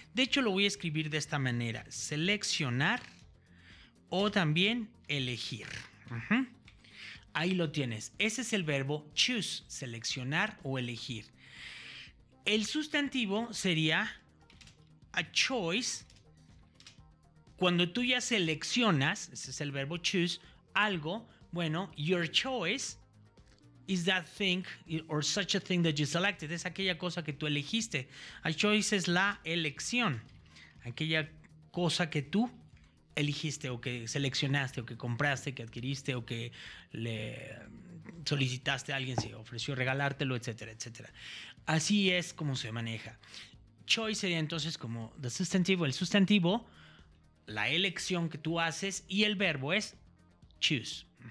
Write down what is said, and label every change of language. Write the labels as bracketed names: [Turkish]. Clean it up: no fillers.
[Spanish] De hecho, lo voy a escribir de esta manera: seleccionar o también elegir. Ahí lo tienes. Ese es el verbo choose, seleccionar o elegir. El sustantivo sería a choice, cuando tú ya seleccionas, ese es el verbo choose, algo. Bueno, [English] your choice is that thing or such a thing that you selected. [Spanish] Es aquella cosa que tú elegiste. A choice es la elección, aquella cosa que tú elegiste o que seleccionaste o que compraste, que adquiriste o que le solicitaste a alguien, se ofreció regalártelo, etcétera, etcétera. Así es como se maneja. Choice sería entonces como el sustantivo, la elección que tú haces, y el verbo es choose.